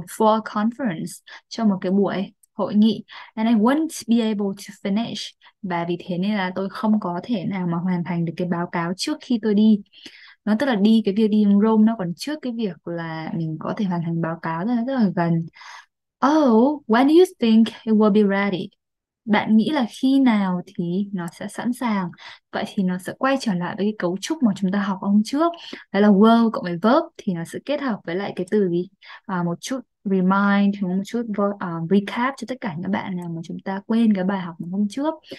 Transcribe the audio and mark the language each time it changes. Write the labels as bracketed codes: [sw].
[en] For conference [vi] cho một cái buổi hội nghị. [en] And I won't be able to finish. [vi] Và vì thế nên là tôi không có thể nào mà hoàn thành được cái báo cáo trước khi tôi đi. Nó tức là đi cái việc đi Rome nó còn trước cái việc là mình có thể hoàn thành báo cáo, nó rất là gần. [en] Oh, when do you think it will be ready? [vi] Bạn nghĩ là khi nào thì nó sẽ sẵn sàng? Vậy thì nó sẽ quay trở lại với cái cấu trúc mà chúng ta học hôm trước. Đó là will cộng với verb thì nó sẽ kết hợp với lại cái từ gì? À, một chút remind, một chút recap cho tất cả các bạn nào mà chúng ta quên cái bài học hôm trước.